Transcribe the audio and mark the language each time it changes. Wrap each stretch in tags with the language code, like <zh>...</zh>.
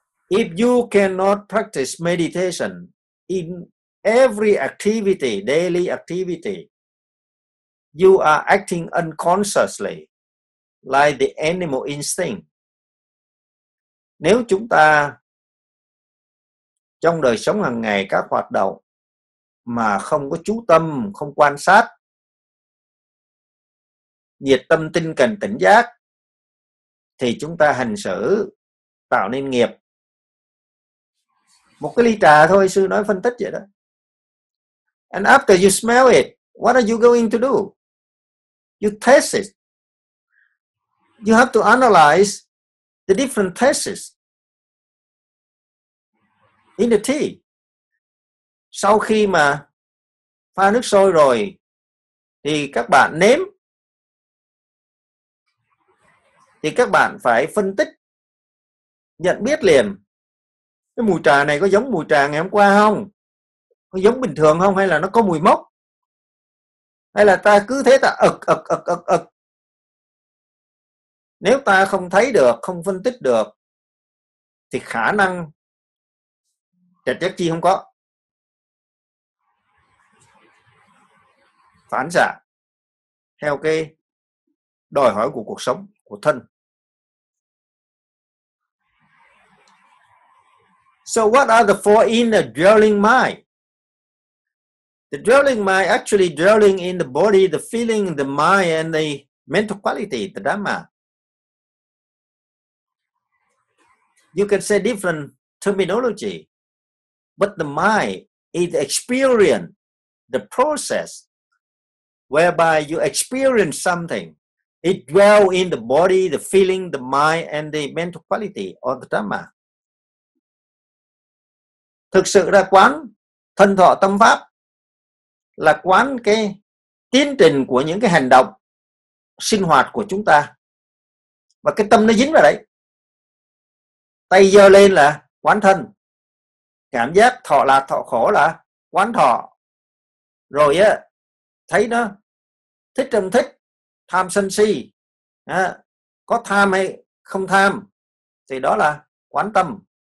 <en>If you cannot practice meditation in every activity, daily activity, you are acting unconsciously like the animal instinct.</en> <vi>Nếu chúng ta trong đời sống hàng ngày, các hoạt động mà không có chú tâm, không quan sát, diệt tâm tinh cần tỉnh giác thì chúng ta hành xử tạo nên nghiệp. Một cái ly trà thôi, sư nói phân tích vậy đó.</vi> <en>And after you smell it, what are you going to do? You taste it. You have to analyze the different tastes in the tea.</en> <vi>Sau khi mà pha nước sôi rồi thì các bạn nếm, thì các bạn phải phân tích, nhận biết liền cái mùi trà này có giống mùi trà ngày hôm qua không, có giống bình thường không, hay là nó có mùi mốc, hay là ta cứ thế ta ực. Nếu ta không thấy được, không phân tích được thì khả năng trạch giác chi không có, phản xạ theo cái đòi hỏi của cuộc sống, của thân.</vi> <en>So what are the four inner dwelling mind? The dwelling mind actually dwelling in the body, the feeling, the mind and the mental quality, the Dhamma. You can say different terminology, but the mind is experience, the process whereby you experience something. It dwells in the body, the feeling, the mind and the mental quality of the Dhamma.</en> <vi>Thực sự ra quán thân thọ tâm pháp là quán cái tiến trình của những cái hành động sinh hoạt của chúng ta, và cái tâm nó dính vào đấy. Tay giơ lên là quán thân, cảm giác thọ là thọ khổ là quán thọ, rồi á thấy nó thích trầm thích, tham sân si, có tham hay không tham thì đó là quán tâm.</vi>